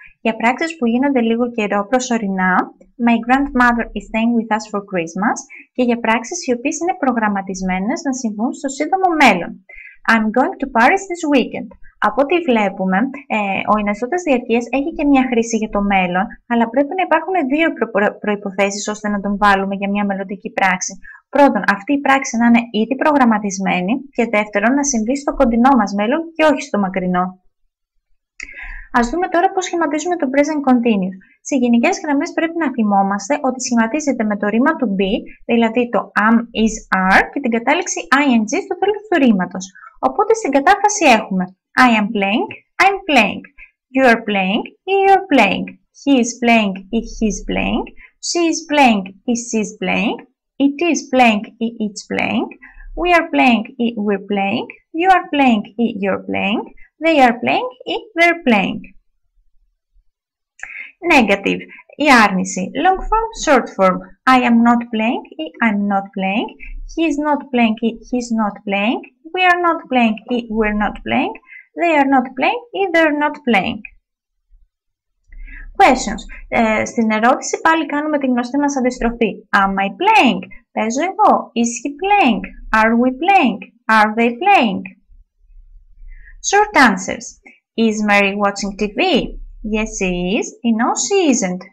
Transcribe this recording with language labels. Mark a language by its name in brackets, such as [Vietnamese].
[Greek] Για πράξεις που γίνονται λίγο καιρό προσωρινά. [English] My grandmother is staying with us for Christmas. [Greek] Και για πράξεις οι οποίες είναι προγραμματισμένες να συμβούν στο σύντομο μέλλον. [English] I'm going to Paris this weekend. [Greek] Από ό,τι βλέπουμε, ο εναιστώτας διαρκείας έχει και μια χρήση για το μέλλον, αλλά πρέπει να υπάρχουν δύο προϋποθέσεις ώστε να τον βάλουμε για μια μελλοντική πράξη. Πρώτον, αυτή η πράξη να είναι ήδη προγραμματισμένη και δεύτερον, να συμβεί στο κοντινό μας μέλλον και όχι στο μακρινό. Ας δούμε τώρα πώς σχηματίζουμε το present continuous. Σε γενικές γραμμές πρέπει να θυμόμαστε ότι σχηματίζεται με το ρήμα του be, δηλαδή το [English] am, is, are [Greek] και την κατάληξη ing στο τέλος του ρήματος. Οπότε στην κατάφραση έχουμε [English] I am playing, I'm playing. You are playing, you're playing. He is playing, he's playing. She is playing, she's playing. It is playing, it's playing. We are playing, we're playing. You are playing, you're playing. They are playing, they're playing. Negative, [Greek] η άρνηση. [English] Long form, short form. I am not playing, I'm not playing. He is not playing, he's not playing. We are not playing, we're not playing. They are not playing, they're not playing. Questions. [Greek] Στην ερώτηση πάλι κάνουμε τη γνωστή μας αντιστροφή. [English] Am I playing? [Greek] Παίζω εγώ. [English] Is he playing? Are we playing? Are they playing? Short answers. Is Mary watching TV? Yes, she is. No, she isn't.